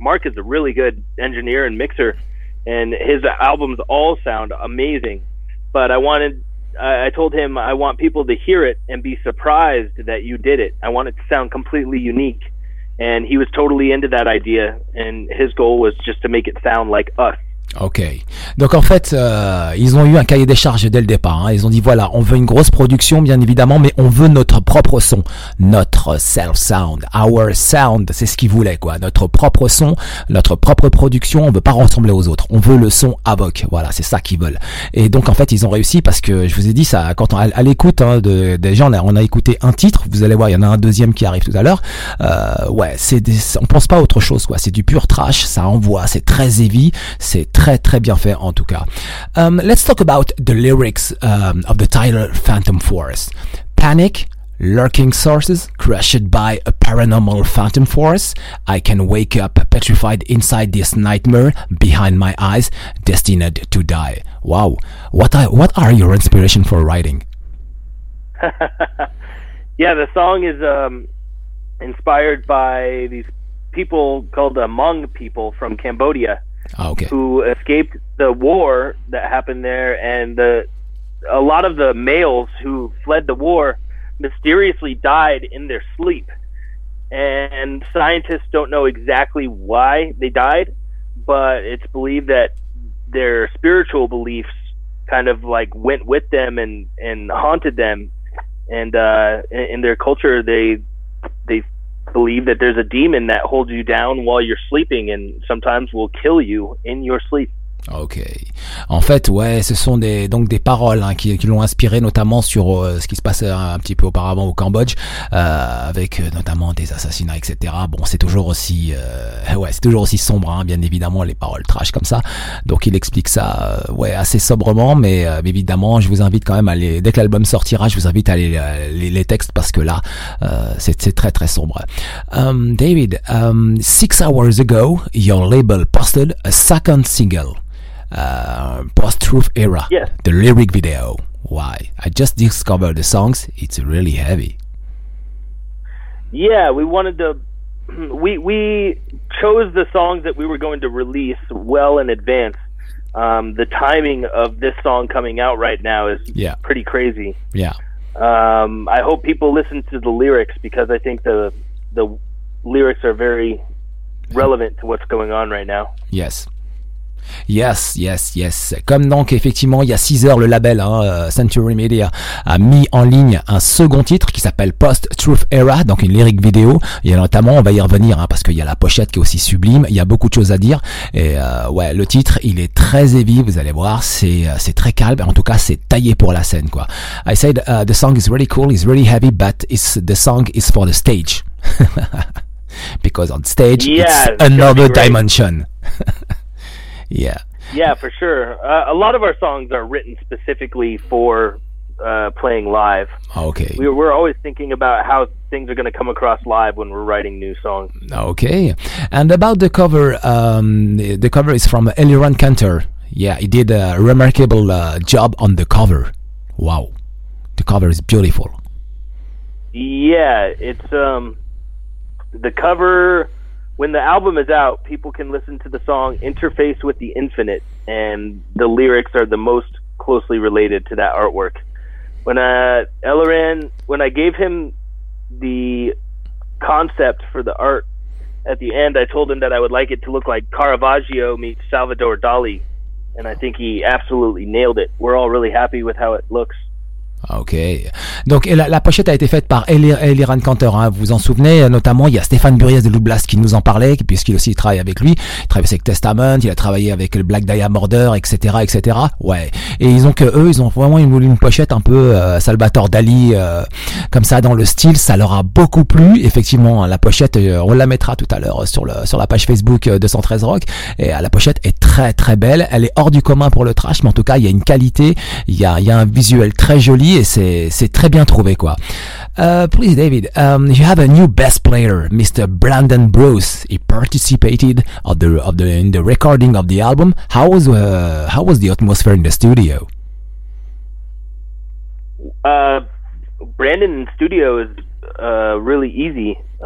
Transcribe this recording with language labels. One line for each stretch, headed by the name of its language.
English: Mark is a really good engineer and mixer, and his albums all sound amazing. But I told him I want people to hear it and be surprised that you did it. I want it to sound completely unique. And he was totally into that idea, and his goal was just to make it sound like us. Okay.
French: Donc en fait, ils ont eu un cahier des charges dès le départ. Hein. Ils ont dit, voilà, on veut une grosse production, bien évidemment, mais on veut notre propre son. Notre self-sound,
English: our sound,
French: c'est ce qu'ils voulaient, quoi. Notre propre son, notre propre production, on veut pas ressembler aux autres. On veut le son Avoc, voilà, c'est ça qu'ils veulent. Et donc en fait, ils ont réussi parce que, je vous ai dit, ça, quand on à l'écoute hein, des gens, on a écouté un titre, vous allez voir, il y en a un deuxième qui arrive tout à l'heure. Ouais, on pense pas à autre chose, quoi. C'est du pur trash, ça envoie, c'est très heavy, c'est très très bien fait en tout cas.
English: Let's talk about the lyrics of the title Phantom Force. Panic, lurking sources, crushed by a paranormal phantom force. I can wake up petrified inside this nightmare behind my eyes, destined to die. Wow. What are your inspiration for writing? Yeah, the song is inspired by these people called the Hmong people from Cambodia. Oh, okay. Who escaped the war that happened there, and a lot of the males who fled the war mysteriously died in their sleep. And scientists don't know exactly why they died, but it's believed that their spiritual beliefs kind of like went with them and haunted them. And in their culture, they believe that there's a demon that holds you down while you're sleeping and sometimes will kill you in your sleep. Okay.
French: En fait, ouais, ce sont des paroles hein, qui l'ont inspiré, notamment sur ce qui se passait un petit peu auparavant au Cambodge, avec notamment des assassinats, etc. Bon, c'est toujours aussi, c'est toujours aussi sombre, hein, bien évidemment, les paroles trash comme ça. Donc, il explique ça, assez sobrement, mais évidemment, je vous invite quand même à aller, dès que l'album sortira, je vous invite à aller lire les textes parce que là, c'est très très sombre.
English: David, 6 hours ago, your label posted a second single. Post-truth era. Yes. The lyric video. Why? I just discovered the songs. It's really heavy. Yeah, we wanted to we chose the songs that we were going to release well in advance. The timing of this song coming out right now is pretty crazy. Yeah. I hope people listen to the lyrics, because I think the lyrics are very relevant to what's going on right now. Yes. Yes, yes, yes.
French: Comme donc, effectivement, il y a 6 heures, le label Century Media a mis en ligne un second titre qui s'appelle Post-Truth Era, donc une lyrique vidéo. Et notamment, on va y revenir, parce qu'il y a la pochette qui est aussi sublime. Il y a beaucoup de choses à dire. Et ouais, le titre, il est très heavy, vous allez voir. C'est très calme. En tout cas, c'est taillé pour la scène, quoi.
English: I said, the song is really cool, it's really heavy, but it's, the song is for the stage. Because on stage, yeah, it's another dimension. Yeah. Yeah, for sure. A lot of our songs are written specifically for playing live. Okay. We're always thinking about how things are going to come across live when we're writing new songs. Okay. And about the cover, the cover is from Eliran Cantor. Yeah, he did a remarkable job on the cover. Wow. The cover is beautiful. Yeah, it's the cover. When the album is out, people can listen to the song Interface with the Infinite, and the lyrics are the most closely related to that artwork. When when I gave him the concept for the art at the end, I told him that I would like it to look like Caravaggio meets Salvador Dali, and I think he absolutely nailed it. We're all really happy with how it looks.
French: Ok, donc la pochette a été faite par Eliran Cantor, hein, vous en souvenez, notamment il y a Stéphane Buriès de Loublast qui nous en parlait, puisqu'il aussi travaille avec lui, il travaille avec Testament, il a travaillé avec le Black Dahlia Murder, etc, etc, ouais, et ils ont que eux, ils ont vraiment une pochette un peu Salvatore Dali, comme ça dans le style, ça leur a beaucoup plu, effectivement, hein, la pochette, on la mettra tout à l'heure sur la page Facebook 213 Rock, et la pochette est très très belle, elle est hors du commun pour le trash, mais en tout cas, il y a une qualité, il y a un visuel très joli, et c'est très bien trouvé quoi.
English: Please David, you have a new bass player, Mr. Brandon Bruce. He participated in the recording of the album. How was the atmosphere in the studio? Brandon in studio is really easy.